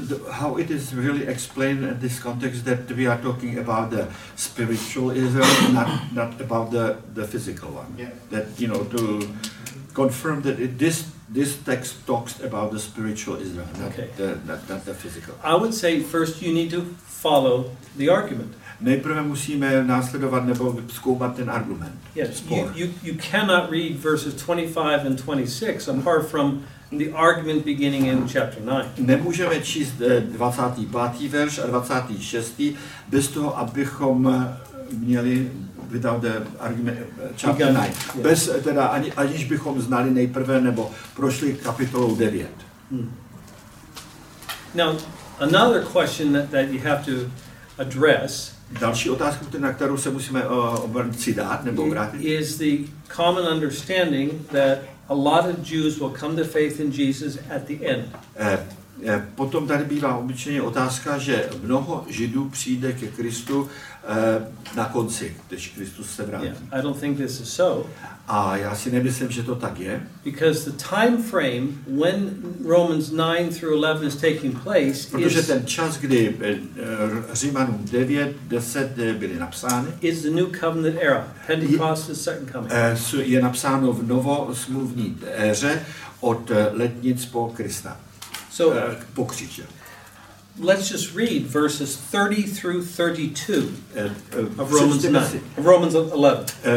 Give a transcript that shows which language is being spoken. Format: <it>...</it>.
<en>How it is really explained in this context that we are talking about the spiritual Israel, not about the physical one. Yeah. That, you know, to confirm that this text talks about the spiritual Israel, not the physical. I would say first you need to follow the argument.</en> <cs>Nejprve musíme následovat nebo zkoumat ten argument.</cs> <en>Yes. You cannot read verses 25 and 26 apart from the argument beginning in chapter 9.</en> <cs>Nemůžeme číst 25. verš a 26. bez toho, abychom měli</cs> <en>without the argument chapter 9. Yeah.</en> <cs>Bez teda aniž bychom znali nejprve nebo prošli kapitolou 9.</cs> <en>Now, another question that you have to address.</en> <cs>Další otázka, na kterou se musíme obrátit.</cs> <en>Is the common understanding that a lot of Jews will come to faith in Jesus at the end.</en> <cs>Potom tady bývá obyčejně otázka, že mnoho Židů přijde ke Kristu na konci, když Kristus se vrátí.</cs> <en>Yeah, I don't think this is so.</en> <cs>A já si nemyslím, že to tak je.</cs> <en>Because the time frame when Romans 9 through 11 is taking place is,</en> <cs>protože ten čas, kdy Římanům 9, 10 byly napsány,</cs> <en>is the new covenant era, Pentecost, the second coming.</en> <cs>Je napsáno v novosmluvní éře od letnic po Krista.</cs> <en>So, pokřiče. Let's just read verses 30 through 32 of Romans 9, Romans 11.</en>